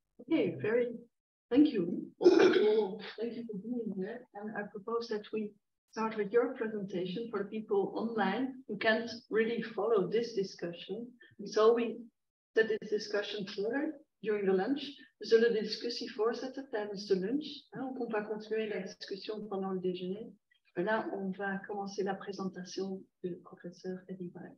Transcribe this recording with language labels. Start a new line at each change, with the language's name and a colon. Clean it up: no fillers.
English: Okay, very, thank you. Thank you for being here. And I propose that we start with your presentation for people online who can't really follow this discussion. So we set this discussion further during the lunch.
Dutch: We zullen de discussie voorzetten tijdens de lunch.
French: On va continuer la discussion pendant le déjeuner. Et là, on va commencer la présentation du professeur Eddy.